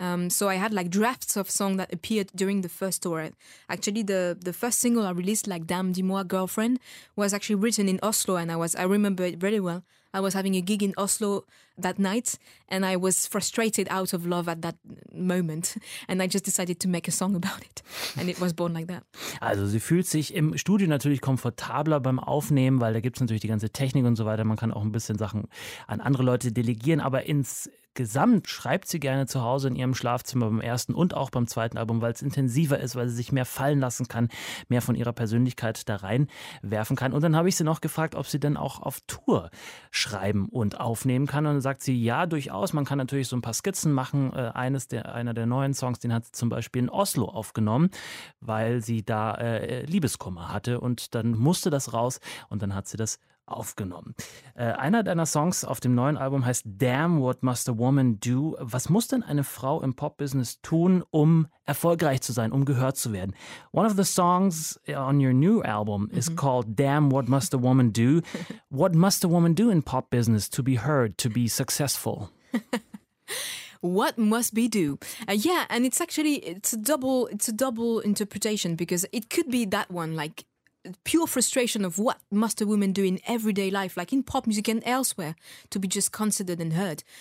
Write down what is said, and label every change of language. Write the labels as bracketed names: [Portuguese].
[English] So I had like drafts of song that appeared during the first tour. Actually, the first single I released, like Dame Dis-moi Girlfriend, was actually written in Oslo, and I remember it very well. I was having a gig in Oslo that night, and I was frustrated out of love at that moment, and I just decided to make a song about it, and it was born like that. [German] Also, sie fühlt sich im Studio natürlich komfortabler beim Aufnehmen, weil da gibt's natürlich die ganze Technik und so weiter. Man kann auch ein bisschen Sachen an andere Leute delegieren, aber insgesamt schreibt sie gerne zu Hause in ihrem Schlafzimmer beim ersten und auch beim zweiten Album, weil es intensiver ist, weil sie sich mehr fallen lassen kann, mehr von ihrer Persönlichkeit da reinwerfen kann. Und dann habe ich sie noch gefragt, ob sie denn auch auf Tour schreiben und aufnehmen kann. Und dann sagt sie, ja, durchaus. Man kann natürlich so ein paar Skizzen machen. Einer der neuen Songs, den hat sie zum Beispiel in Oslo aufgenommen, weil sie da Liebeskummer hatte. Und dann musste das raus und dann hat sie das aufgenommen. Einer deiner Songs auf dem neuen Album heißt Damn, What Must a Woman Do? Was muss denn eine Frau im Pop-Business tun, um erfolgreich zu sein, um gehört zu werden? [English] One of the songs on your new album is called Damn, What Must a Woman Do? What must a woman do in pop business to be heard, to be successful? What must be do? Yeah, and it's a double interpretation, because it could be that one, like, pure frustration of what must a woman do in everyday life, like in pop music and elsewhere, to be just considered and heard.